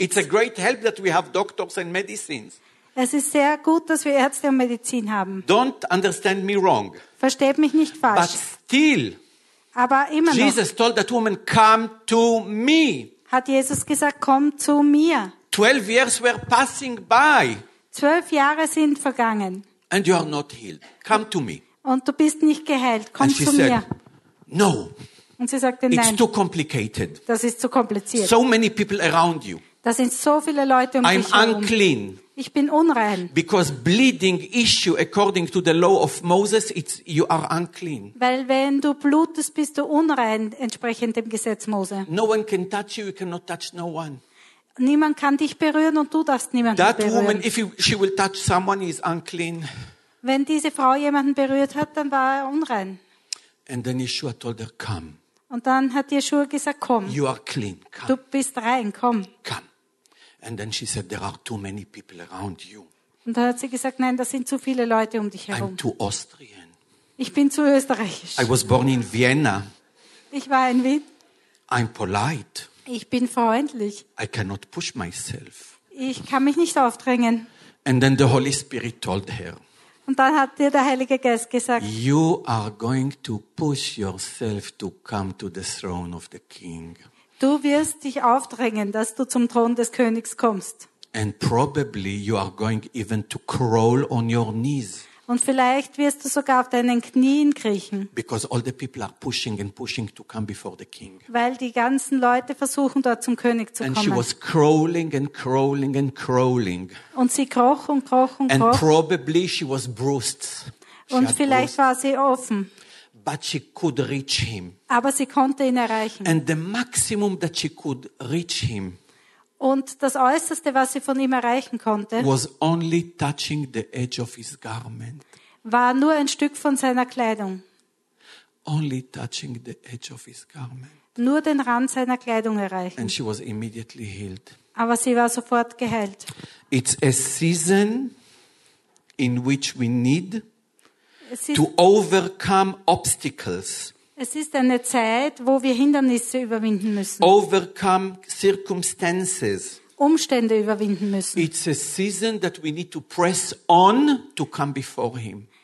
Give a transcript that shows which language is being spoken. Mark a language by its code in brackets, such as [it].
[en] It's a great help that we have doctors and medicines. [de] Es ist sehr gut, dass wir Ärzte und Medizin haben. [en] Don't understand me wrong. [de] Versteht mich nicht falsch. [en] But still. [de] Aber immer noch. [en] Jesus told that woman, come to me. [de] Hat Jesus gesagt, komm zu mir. [en] 12 years were passing by. [de] 12 Jahre sind vergangen. [en] And you are not healed. Come to me. [de] Und du bist nicht geheilt. Komm zu mir. [en] No. [de] Und sie sagte nein. [en] It's too complicated. [de] Das ist zu kompliziert. [en] So many people around you. [de] Da sind so viele Leute um dich herum. [en] I'm unclean. [de] Ich bin unrein. [en] Because bleeding issue according to the law of Moses, it's you are unclean. [de] Weil wenn du blutest, bist du unrein entsprechend dem Gesetz Mose. [en] No one can touch you. You cannot touch no one. [de] Niemand kann dich berühren und du darfst niemanden [en] that [de] berühren. [en] That woman, if she will touch someone, is unclean. [de] Wenn diese Frau jemanden berührt hat, dann war er unrein. [en] And then Yeshua told her, come. [de] Und dann hat Yeshua gesagt, komm. [en] You are clean. Come. [de] Du bist rein, komm. [en] Come. And then she said, there are too many people around you. [de] Und dann hat sie gesagt, nein, da sind zu viele Leute um dich herum. [en] I'm too Austrian. [de] Ich bin zu österreichisch. [en] I was born in Vienna. [de] Ich war in Wien. [en] I'm polite. [de] Ich bin freundlich. [en] I cannot push myself. [de] Ich kann mich nicht aufdrängen. [en] And then the Holy Spirit told her. [de] Und dann hat dir der Heilige Geist gesagt, [en] you are going to push yourself to come to the throne of the king. [de] Du wirst dich aufdrängen, dass du zum Thron des Königs kommst. [en] And probably you are going even to crawl on your knees. [de] Und vielleicht wirst du sogar auf deinen Knien kriechen. [en] Because all the people are pushing and pushing to come before the king. [de] Weil die ganzen Leute versuchen, dort zum König zu [en] and [de] kommen. [en] And she was crawling and crawling and crawling. [de] Und sie kroch und kroch und [en] and [de] kroch. [en] And probably she was bruised. [de] Und vielleicht war sie offen. [en] But she could reach him. [de] Aber sie konnte ihn erreichen. [en] And the maximum that she could reach him. [de] Und das Äußerste, was sie von ihm erreichen konnte, [en] was only touching the edge of his garment. [de] War nur ein Stück von seiner Kleidung. [en] Only touching the edge of his garment. [de] Nur den Rand seiner Kleidung erreichen. [en] And she was immediately healed. [de] Aber sie war sofort geheilt. [en] It's a season in which we need to overcome obstacles. [de] Es ist eine Zeit, wo wir Hindernisse überwinden müssen. [en] Overcome circumstances. [de] Umstände überwinden müssen. [en] It's a season that we need to press on to come before him.